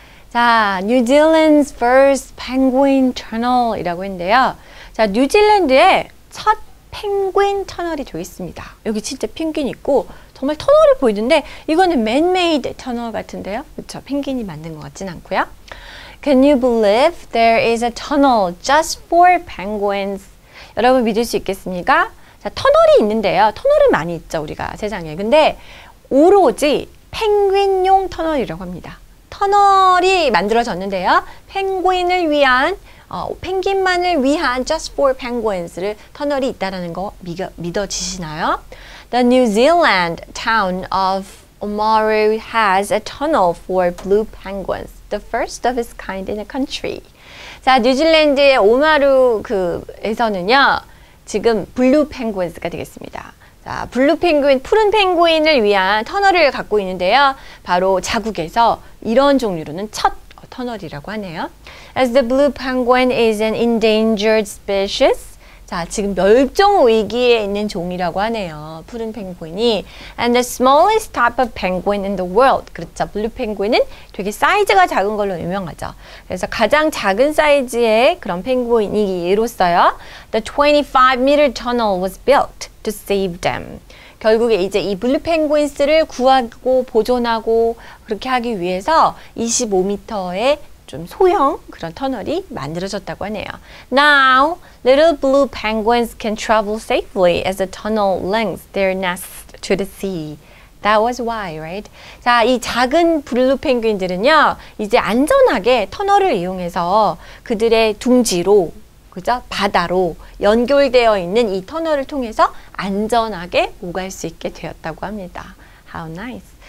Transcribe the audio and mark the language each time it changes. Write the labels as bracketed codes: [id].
[ko] 자, [en] New Zealand's first penguin tunnel [ko] 이라고 했는데요. 자, 뉴질랜드의 첫 펭귄 터널이 되어 있습니다. 여기 진짜 펭귄이 있고 정말 터널이 보이는데 이거는 man-made 터널 같은데요. 그렇죠? 펭귄이 만든 것 같진 않고요. [en] Can you believe there is a tunnel just for penguins? [ko] 여러분 믿을 수 있겠습니까? 자, 터널이 있는데요. 터널은 많이 있죠, 우리가 세상에. 근데 오로지 펭귄용 터널이라고 합니다. 터널이 만들어졌는데요. 펭귄을 위한, 펭귄만을 위한 [en] just for penguins [ko] 를 터널이 있다는 거 믿어지시나요? [en] The New Zealand town of Oamaru has a tunnel for blue penguins, the first of its kind in the country. [ko] 자, 뉴질랜드의 오마루 그에서는요. 지금 블루 펭귄스가 되겠습니다. 자, 블루 펭귄, 푸른 펭귄을 위한 터널을 갖고 있는데요. 바로 자국에서 이런 종류로는 첫 터널이라고 하네요. [en] As the blue penguin is an endangered species. [ko] 자, 지금 멸종 위기에 있는 종이라고 하네요. 푸른 펭귄이. [en] And the smallest type of penguin in the world. [ko] 그렇죠. 블루 펭귄은 되게 사이즈가 작은 걸로 유명하죠. 그래서 가장 작은 사이즈의 그런 펭귄이로서요. [en] The 25m tunnel was built to save them. [ko] 결국에 이제 이 블루 펭귄스를 구하고 보존하고 그렇게 하기 위해서 25m의 좀 소형 그런 터널이 만들어졌다고 하네요. [en] Now, little blue penguins can travel safely as the tunnel links their nest to the sea. That was why, right? [ko] 자, 이 작은 블루 펭귄들은요, 이제 안전하게 터널을 이용해서 그들의 둥지로, 그죠? 바다로 연결되어 있는 이 터널을 통해서 안전하게 오갈 수 있게 되었다고 합니다. [en] How nice.